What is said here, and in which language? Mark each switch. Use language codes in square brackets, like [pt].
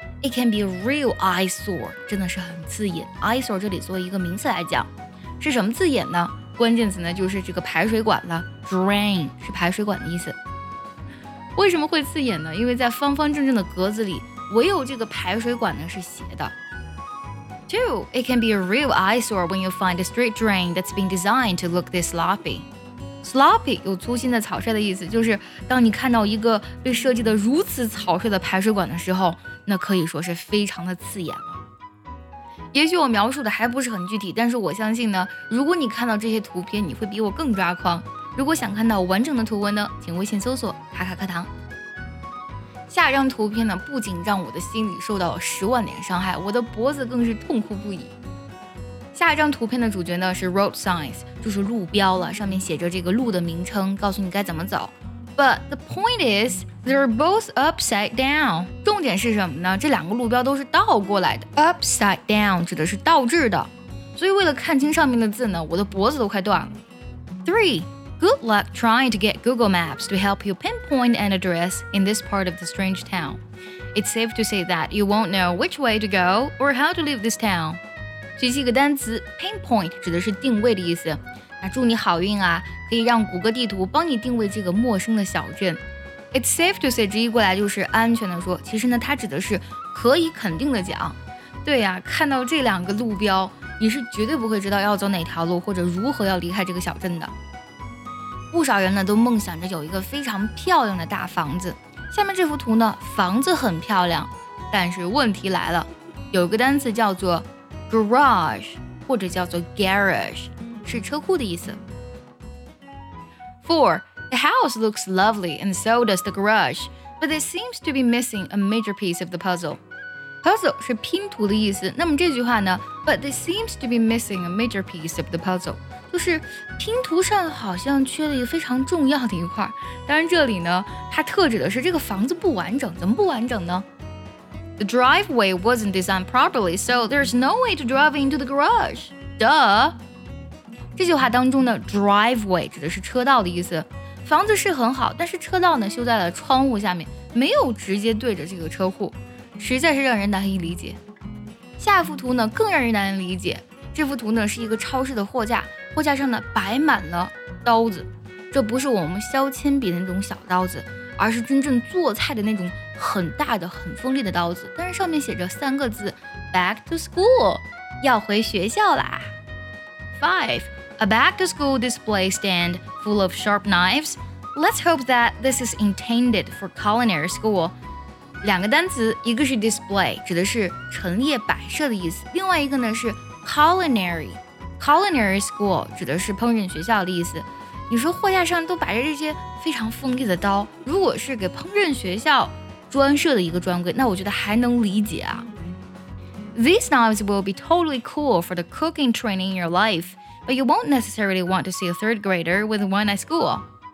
[en] It can be a real eyesore， [zh] 真的是很刺眼。eyesore 这里作为一个名词来讲，是什么刺眼呢？关键词呢就是这个排水管了。drain 是排水管的意思。为什么会刺眼呢？因为在方方正正的格子里，唯有这个排水管呢是斜的。 [en] Two， it can be a real eyesore when you find a street drain that's been designed to look this sloppy。 [zh] Sloppy 有粗心的、草率的意思，就是当你看到一个被设计的如此草率的排水管的时候，那可以说是非常的刺眼了。也许我描述的还不是很具体，但是我相信呢，如果你看到这些图片，你会比我更抓狂。如果想看到完整的图文呢，请微信搜索卡卡课堂。下一张图片呢，不仅让我的心里受到了十万点伤害，我的脖子更是痛哭不已。下一张图片的主角呢是 road signs， 就是路标了，上面写着这个路的名称，告诉你该怎么走。 [en] But the point is they're both upside down。 [zh] 重点是什么呢？这两个路标都是倒过来的。 upside down 指的是倒置的，所以为了看清上面的字呢，我的脖子都快断了。3. [en] Good luck trying to get Google Maps to help you pinpoint an address in this part of the strange town. It's safe to say that you won't know which way to go or how to leave this town。 [zh] 学习一个单词 pinpoint 指的是定位的意思，那祝你好运啊，可以让谷歌地图帮你定位这个陌生的小镇。 [en] It's safe to say [zh] 直译过来就是安全的说，其实呢它指的是可以肯定的讲。对啊，看到这两个路标你是绝对不会知道要走哪条路或者如何要离开这个小镇的。不少人呢都梦想着有一个非常漂亮的大房子，下面这幅图呢房子很漂亮，但是问题来了，有一个单词叫做Garage 或者叫做 Garage， 是车库的意思。 4. [en] The house looks lovely and so does the garage, but it seems to be missing a major piece of the puzzle. [zh] Puzzle 是拼图的意思，那么这句话呢 [en] But it seems to be missing a major piece of the puzzle， [zh] 就是拼图上好像缺了一个非常重要的一块。当然这里呢它特指的是这个房子不完整。怎么不完整呢？ [en] The driveway wasn't designed properly, so there's no way to drive into the garage. [zh] Duh! 这句话当中的 driveway 指的是车道的意思。房子是很好，但是车道呢修在了窗户下面，没有直接对着这个车库，实在是让人难以理解。下一幅图呢更让人难以理解。这幅图呢是一个超市的货架，货架上呢摆满了刀子。这不是我们削铅笔的那种小刀子，而是真正做菜的那种很大的很锋利的刀子，但是上面写着三个字 [en] Back to school， [zh] 要回学校啦。5. [en] A back to school display stand full of sharp knives. Let's hope that this is intended for culinary school. [zh] 两个单词，一个是 display 指的是陈列摆设的意思，另外一个呢是 culinary， culinary school 指的是烹饪学校的意思。你说货架上都摆着这些非常锋利的刀，如果是给烹饪学校专设的一个专柜，那我觉得还能理解啊。 [en] These knives will be totally cool for the cooking training in your life, but you won't necessarily want to see a third grader with one at school.